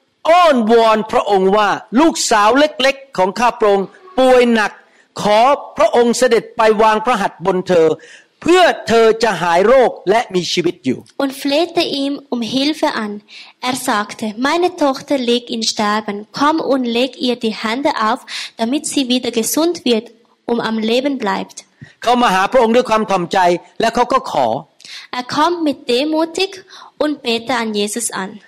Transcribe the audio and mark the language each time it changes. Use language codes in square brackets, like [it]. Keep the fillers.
[th] อ้อนวอนพระองค์ว่าลูกสาวเล็กๆ ของข้าพระองค์ป่วยหนัก ขอพระองค์เสด็จไปวางพระหัตถ์บนเธอ เพื่อเธอจะหายโรคและมีชีวิตอยู่ [de] und flehte ihm um Hilfe an er sagte meine Tochter liegt in Sterben komm und leg ihr die Hände auf damit sie wieder gesund wird um am Leben bleibt [th] เขามาหาพระองค์ด้วยความถ่อมใจและเขาก็ขอ [de] er kommt mit demutig und bete an Jesus an